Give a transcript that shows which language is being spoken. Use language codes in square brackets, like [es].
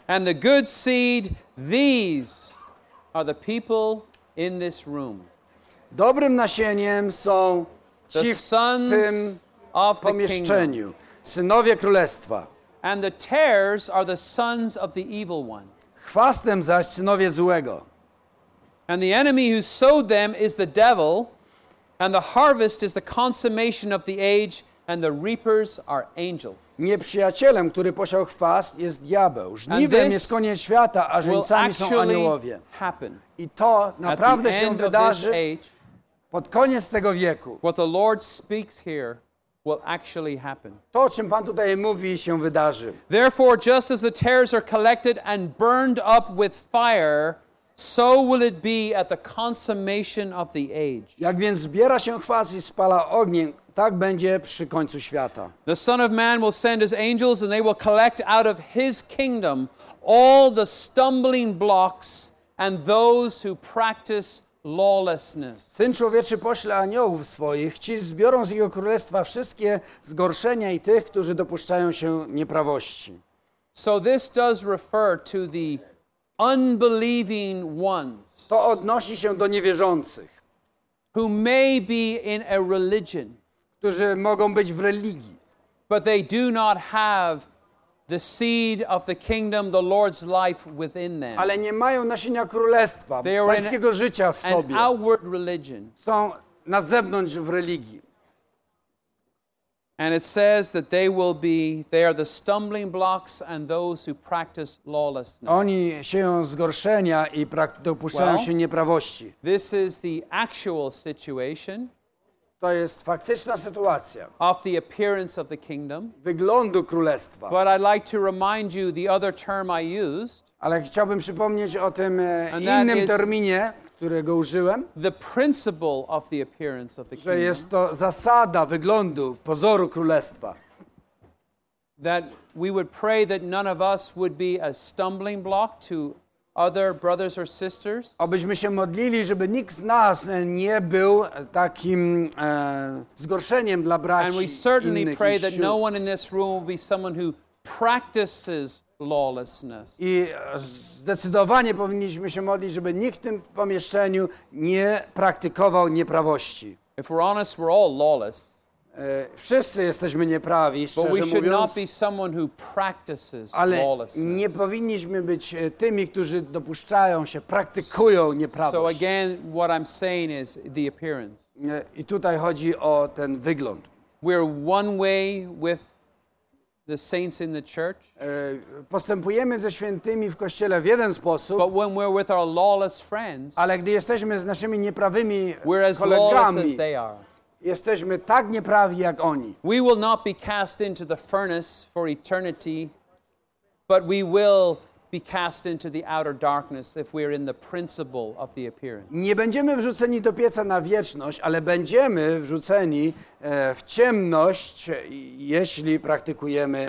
[en] And the good seed, these are the people in this room. [pl] Dobrym nasieniem są ci w tym pomieszczeniu. Synowie Królestwa. [en] And the tares are the sons of the evil one. [pl] Chwastem zaś synowie złego. [en] And the enemy who sowed them is the devil, and the harvest is the consummation of the age, and the reapers are angels. [pl] Nieprzyjacielem, który posiał chwast, jest diabeł. Żniwem jest koniec świata, a żeńcami są aniołowie. I to naprawdę się wydarzy pod koniec tego wieku. [en] What the Lord speaks here will actually happen. [pl] To, o czym Pan tutaj mówi, się wydarzy. [en] Therefore, just as the tares are collected and burned up with fire, so will it be at the consummation of the age. [pl] Jak więc zbiera się chwast i spala ogniem, tak będzie przy końcu świata. [en] The Son of Man will send his angels and they will collect out of his kingdom all the stumbling blocks and those who practice lawlessness. [pl] Syn Człowieczy pośle aniołów swoich, ci zbiorą z jego królestwa wszystkie zgorszenia i tych, którzy dopuszczają się nieprawości. [en] So this does refer to the unbelieving ones. [pl] To odnosi się do niewierzących. [en] Who may be in a religion. [pl] Którzy mogą być w religii. [en] But they do not have the seed of the kingdom, the Lord's life within them. [pl] Ale nie mają nasienia królestwa, pańskiego życia w sobie. [en] An outward religion. [pl] Są na zewnątrz w religii. [en] And it says that they are the stumbling blocks and those who practice lawlessness. [pl] Oni sieją zgorszenia i dopuszczają się nieprawości. [en] This is the actual situation. [pl] To jest faktyczna sytuacja. [en] Of the appearance of the kingdom. [pl] Wyglądu królestwa. [en] But I'd like to remind you the other term I used. [pl] Ale chciałbym przypomnieć o tym innym terminie, którego użyłem. [en] The principle of the appearance of the kingdom. [pl] Że jest to zasada wyglądu, pozoru królestwa. [en] That we would pray that none of us would be a stumbling block to other brothers or sisters. [pl] Abyśmy się modlili, żeby nikt z nas nie był takim zgorszeniem dla braci. [en] And we certainly pray that no one in this room will be someone who practices lawlessness. [pl] I zdecydowanie powinniśmy się modlić, żeby nikt w tym pomieszczeniu nie praktykował nieprawości. [en] If we're honest, we're all lawless. [pl] Wszyscy jesteśmy nieprawi, szczerze mówiąc. [en] But we should [pl] mówiąc, [en] not be someone who practices lawlessness. [pl] Ale nie powinniśmy być tymi, którzy dopuszczają się, praktykują nieprawość. [en] So again, what I'm saying is the appearance. [pl] I tutaj chodzi o ten wygląd. [en] We're one way with the saints in the church. [pl] Postępujemy ze świętymi w kościele w jeden sposób. [en] But when we're with our lawless friends, [pl] ale gdy jesteśmy z naszymi nieprawymi kolegami, jesteśmy tak nieprawi jak oni. [en] We will not be cast into the furnace for eternity, but we will be cast into the outer darkness if we are in the principle of the appearance. [pl] Nie będziemy wrzuceni do pieca na wieczność, ale będziemy wrzuceni w ciemność, jeśli praktykujemy